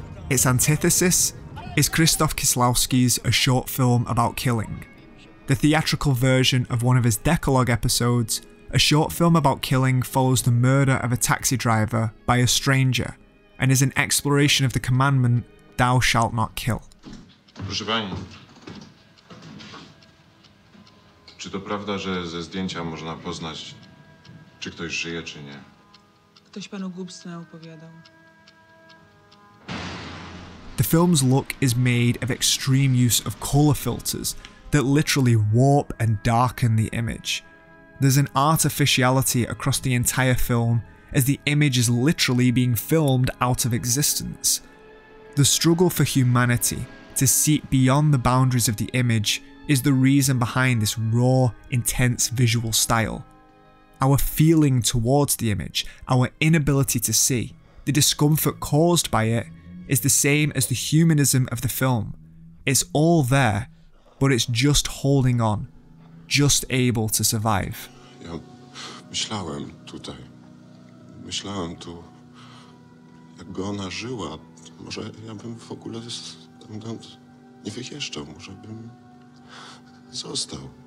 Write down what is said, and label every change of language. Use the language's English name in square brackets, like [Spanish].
[English] Its antithesis is Krzysztof Kieślowski's A Short Film About Killing. The theatrical version of one of his Decalogue episodes, A Short Film About Killing follows the murder of a taxi driver by a stranger and is an exploration of the commandment, Thou Shalt Not Kill. [Polish] Proszę Pani, czy to prawda, że ze zdjęcia można poznać, czy ktoś żyje, czy nie? Ktoś Panu głupstwo opowiadał. [English] The film's look is made of extreme use of color filters that literally warp and darken the image. There's an artificiality across the entire film as the image is literally being filmed out of existence. The struggle for humanity to seep beyond the boundaries of the image is the reason behind this raw, intense visual style. Our feeling towards the image, our inability to see, the discomfort caused by it, is the same as the humanism of the film. It's all there, but it's just holding on, just able to survive. [Polish] Ja myślałem tutaj. Myślałem tu, jakby ona żyła, może ja bym w ogóle stamtąd nie wyjeżdżał, może bym został.